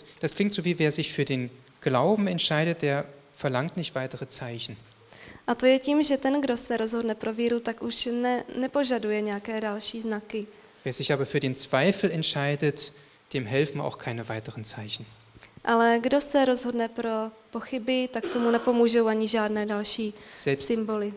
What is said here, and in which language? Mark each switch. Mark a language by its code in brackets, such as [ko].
[de] Das klingt so wie wer sich für den Glauben entscheidet, der verlangt nicht weitere Zeichen. [cs] A to je tím, že ten, kdo se rozhodne pro víru, tak už nepožaduje nějaké další znaky. [de] Wer sich aber für den Zweifel entscheidet, dem helfen auch keine weiteren Zeichen. [cs] Ale kdo se rozhodne pro pochyby, tak tomu nepomůžou ani žádné další symboly.